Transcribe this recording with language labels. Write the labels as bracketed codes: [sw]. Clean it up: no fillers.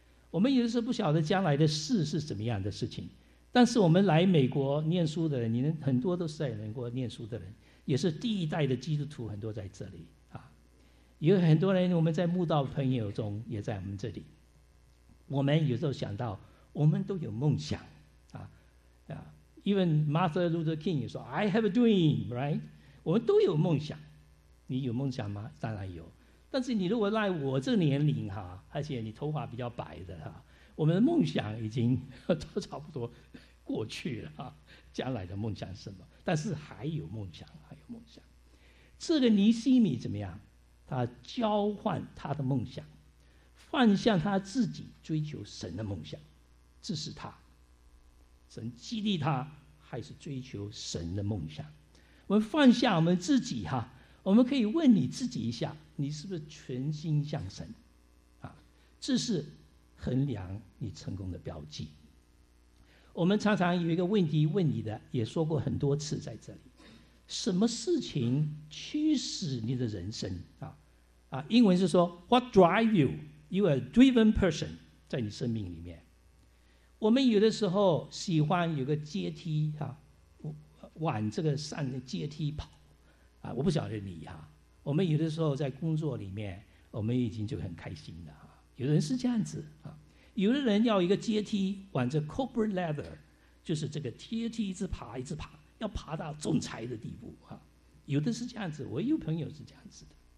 [zh] 我们有的时候不晓得将来的事是怎么样的事情，但是我们来美国念书的人，你们很多都是在美国念书的人，也是第一代的基督徒，很多在这里啊，有很多人我们在慕道朋友中也在我们这里。我们有时候想到我们都有梦想啊， [en] even [zh] Martin Luther King 也说 [en] I have a dream, right? [zh] 我们都有梦想。你有梦想吗？当然有。但是你如果赖我这年龄哈，而且你头发比较白的哈，我们的梦想已经都差不多过去了，将来的梦想是什么？但是还有梦想，还有梦想。这个尼西米怎么样？他交换他的梦想，放下他自己追求神的梦想，这是他，神激励他还是追求神的梦想。我们放下我们自己哈，我们可以问你自己一下，你是不是全心向神啊？这是衡量你成功的标记。我们常常有一个问题问你的，也说过很多次在这里，什么事情驱使你的人生啊？啊，英文是说 [en] What drive you? You are a driven person [zh] 在你生命里面。我们有的时候喜欢有个阶梯啊，往这个上的阶梯跑啊，我不晓得你哈，我们有的时候在工作里面我们已经就很开心了哈，有人是这样子啊，有的人要一个阶梯往这 corporate ladder 就是这个阶梯一直爬一直爬，要爬到总裁的地步哈，有的是这样子，我有朋友是这样子的。